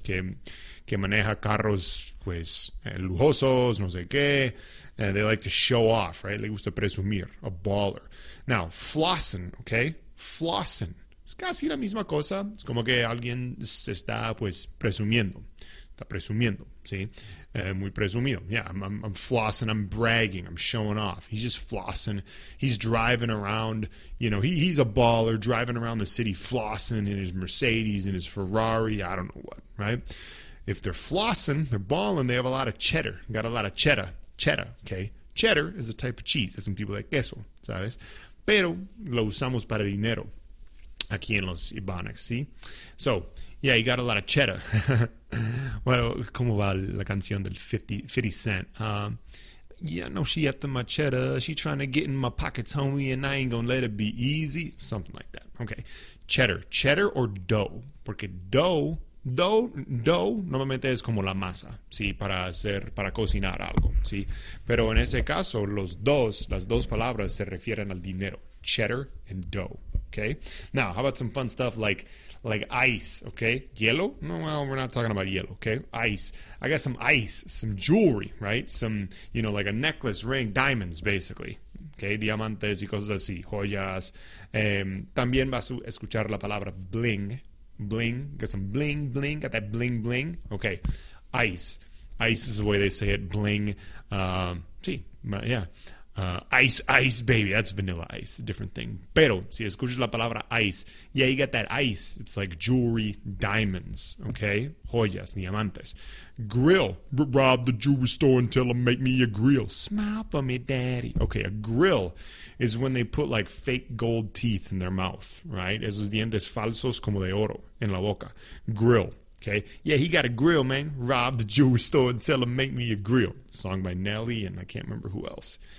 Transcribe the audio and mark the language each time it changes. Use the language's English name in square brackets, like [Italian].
[Spanish] Que maneja carros, pues, lujosos, no sé qué. [English] They like to show off, right? [Spanish] Le gusta presumir. [English] A baller. Now, flossin', okay? Flossin'. [Spanish] Es casi la misma cosa. Es como que alguien se está, pues, presumiendo. Está presumiendo, ¿sí? Muy presumido. [English] Yeah, I'm flossing, I'm bragging, I'm showing off. He's just flossing. He's driving around, you know, he's a baller, driving around the city flossing in his Mercedes, in his Ferrari, I don't know what, right? If they're flossing, they're balling, they have a lot of cheddar. Got a lot of cheddar. Cheddar, okay? Cheddar is a type of cheese. [Spanish] Es un tipo de queso, ¿sabes? Pero lo usamos para dinero. Aquí en los Ibanics, ¿sí? [English] So, yeah, you got a lot of cheddar. [Spanish] Bueno, ¿cómo va la canción del 50 Cent? [English] Yeah, no, she after my cheddar. She trying to get in my pockets, homie, and I ain't gonna let it be easy. Something like that. Okay. Cheddar. Cheddar or dough? [Spanish] Porque dough normalmente es como la masa, ¿sí? Para hacer, para cocinar algo, ¿sí? Pero en ese caso, los dos, las dos palabras se refieren al dinero. [English] Cheddar and dough. Okay. Now, how about some fun stuff like ice, okay? Hielo? No, well, we're not talking about hielo, okay? Ice. I got some ice, some jewelry, right? Some, you know, like a necklace, ring, diamonds, basically. Okay, [Spanish] diamantes y cosas así, joyas. También vas a escuchar la palabra [English] bling. Bling, got some bling, bling, got that bling, bling. Okay, ice. Ice is the way they say it, bling. Sí, but yeah. Ice, baby. That's vanilla ice. Different thing. [Spanish] Pero, si escuchas la palabra [English] ice, yeah, you get that ice. It's like jewelry, diamonds, okay? [Spanish] Joyas, diamantes. [English] Grill. Rob the jewelry store and tell them make me a grill. Smile for me, daddy. Okay, a grill is when they put, like, fake gold teeth in their mouth, right? [Spanish] Esos dientes falsos como de oro en la boca. [English] Grill. Okay, yeah, he got a grill, man. Rob the jewelry store and tell him make me a grill. Song by Nelly and I can't remember who else.